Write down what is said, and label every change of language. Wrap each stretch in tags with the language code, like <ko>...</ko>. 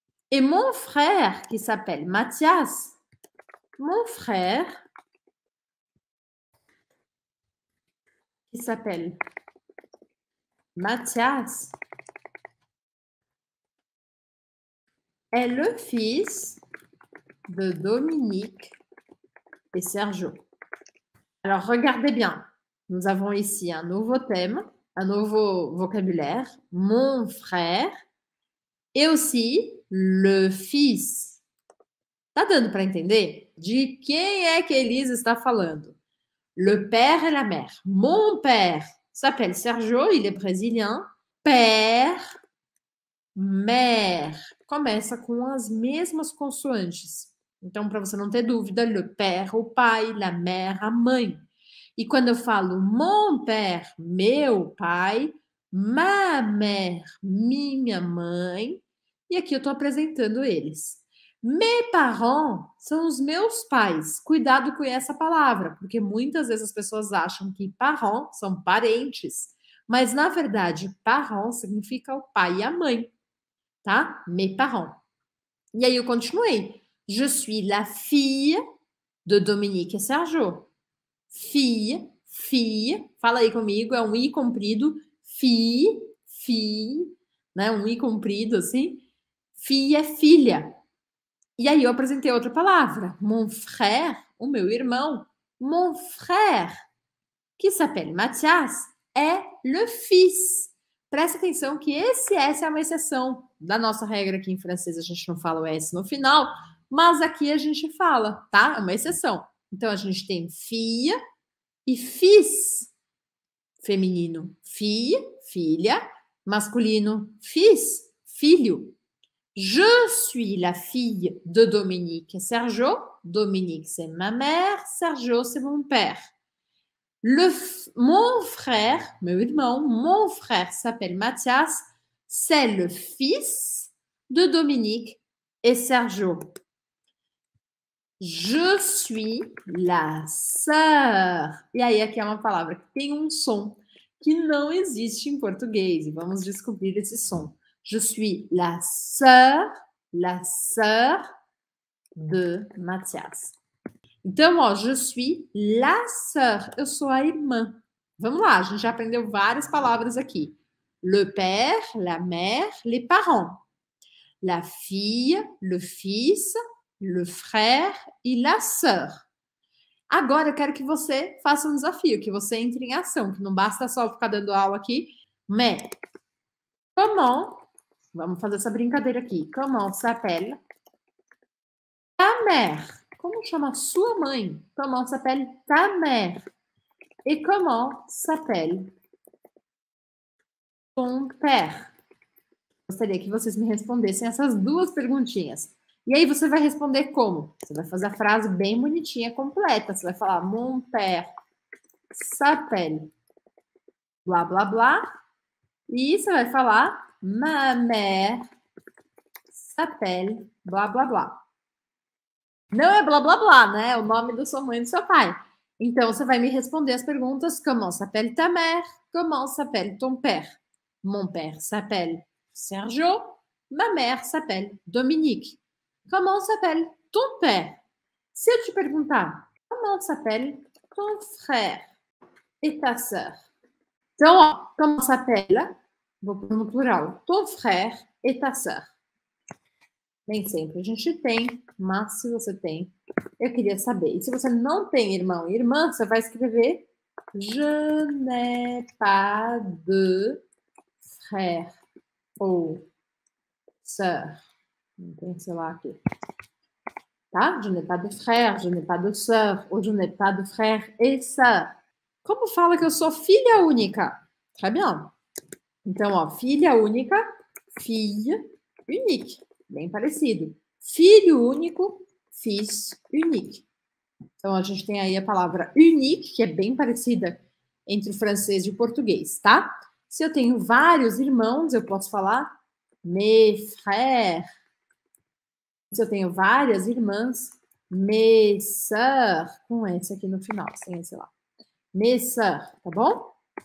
<fr>Et mon frère, qui s'appelle Mathias, mon frère, qui s'appelle Mathias, est le fils de Dominique et Sergio. Alors, regardez bien, nous avons ici un nouveau thème. Un nouveau vocabulaire, mon frère, et aussi le fils.</fr> <pt>Tá dando para entender? De quem é que Elisa está falando?</pt> <fr>Le père et la mère. Mon père s'appelle Sergio, il est brésilien. Père, mère.</fr> <pt>Começa com as mesmas consoantes. Então, para você não ter dúvida,</pt> <fr>le père,</fr> <pt>o pai,</pt> <fr>la mère,</fr> <pt>a mãe. E quando eu falo</pt> <fr>mon père,</fr> <pt>meu pai,</pt> <fr>ma mère,</fr> <pt>minha mãe, e aqui eu estou apresentando eles.</pt> <fr>Mes parents</fr> <pt>são os meus pais. Cuidado com essa palavra, porque muitas vezes as pessoas acham que parents são parentes, mas na verdade, parents significa o pai e a mãe, tá?</pt> <fr>Mes parents.</fr> <pt>E aí eu continuei.</pt> <fr>Je suis la fille de Dominique et Sergio. Fille, fille,</fr> <pt>fala aí comigo, é um i comprido.</pt> <fr>Fille, fille,</fr> <pt>né? Um i comprido assim.</pt> <fr>Fille</fr> <pt>é filha. E aí eu apresentei outra palavra.</pt> <fr>Mon frère,</fr> <pt>o meu irmão.</pt> <fr>Mon frère, que s'appelle Mathias, é le fils.</fr> <pt>Presta atenção que esse S é uma exceção da nossa regra aqui em francês. A gente não fala o S no final, mas aqui a gente fala, tá? É uma exceção. Então a gente tem</pt> <fr>fille.</fr> <pt>E</pt> <fr>fils,</fr> <pt>feminino, fille, filha, masculino, fils, filho.</pt> <fr>Je suis la fille de Dominique et Sergio. Dominique, c'est ma mère. Sergio, c'est mon père. Mon frère,</fr> <pt>meu irmão,</pt> <fr>mon frère s'appelle Mathias. C'est le fils de Dominique et Sergio. Je suis la sœur.</fr> <pt>E aí, aqui é uma palavra que tem um som. que não existe em português. E vamos descobrir esse som.</pt> <fr>Je suis la sœur de Mathias.</fr> <pt>Então, ó,</pt> <fr>je suis la sœur.</fr> <pt>Eu sou a irmã. Vamos lá, a gente já aprendeu várias palavras aqui.</pt> <fr>Le père, la mère, les parents. La fille, le fils, le frère</fr> <pt>e</pt> <fr>la sœur.</fr> <pt>Agora eu quero que você faça um desafio, que você entre em ação, que não basta só ficar dando aula aqui.</pt> <fr>Mais, comment,</fr> <pt>vamos fazer essa brincadeira aqui.</pt> <fr>Comment s'appelle ta mère?</fr> <pt>Como chama sua mãe?</pt> <fr>Comment s'appelle ta mère?</fr> <pt>E</pt> <fr>comment s'appelle ton père?</fr> <pt>Gostaria que vocês me respondessem essas duas perguntinhas. E aí você vai responder como? Você vai fazer a frase bem bonitinha, completa. Você vai falar:</pt> <fr>Mon père s'appelle</fr> <pt>blá blá blá. E você vai falar:</pt> <fr>Ma mère s'appelle</fr> <pt>blá blá blá. Não é blá blá blá, né? É o nome da sua mãe e do seu pai. Então você vai me responder as perguntas:</pt> <fr>Comment s'appelle ta mère? Comment s'appelle ton père? Mon père s'appelle Sergio. Ma mère s'appelle Dominique. Comment s'appelle ton père?</fr> <pt>Se eu te perguntar,</pt> <fr>comment s'appelle ton frère et ta sœur?</fr> <pt>Então, ó,</pt> <fr>comment s'appelle,</fr> <pt>vou pôr no plural,</pt> <fr>ton frère et ta sœur.</fr> <pt>Nem sempre a gente tem, mas se você tem, eu queria saber. E se você não tem irmão e irmã, você vai escrever:</pt> <fr>Je n'ai pas de frère ou sœur.</fr> <pt>Não tem, sei lá, aqui. Tá?</pt> <fr>Je n'ai pas de frère, je n'ai pas de sœur, ou je n'ai pas de frère et sœur.</fr> <pt>Como fala que eu sou filha única?</pt> <fr>Très bien.</fr> <pt>Então, ó, filha única,</pt> <fr>fille unique.</fr> <pt>Bem parecido. Filho único,</pt> <fr>fils unique.</fr> <pt>Então, a gente tem aí a palavra unique, que é bem parecida entre o francês e o português, tá? Se eu tenho vários irmãos, eu posso falar</pt> <fr>mes frères.</fr> <pt>Se eu tenho várias irmãs,</pt> <fr>mes sœurs,</fr> <pt>com esse aqui no final, sem esse lá.</pt> <fr>Mes sœurs,</fr> <pt>tá bom?</pt>